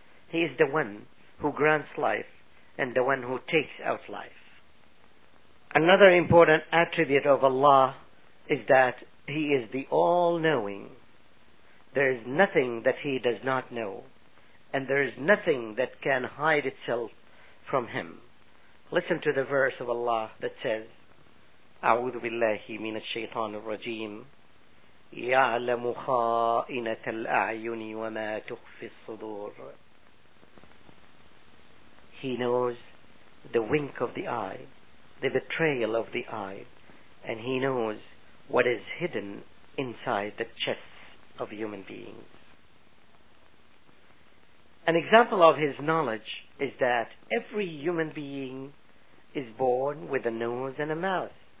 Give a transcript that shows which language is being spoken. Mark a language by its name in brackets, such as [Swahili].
[English] He is the one who grants life and the one who takes out life. Another important attribute of Allah is that He is the all-knowing. There is nothing that He does not know, and there is nothing that can hide itself from Him. Listen to the verse of Allah that says, [Arabic] أعوذ بالله من الشيطان الرجيم يَعْلَمُ خَائِنَةَ الْأَعْيُنِ وَمَا تُخْفِي الصُّدُورِ. [English] He knows the wink of the eye, the betrayal of the eye, and He knows what is hidden inside the chests of human beings. An example of His knowledge is that every human being is born with a nose and a mouth.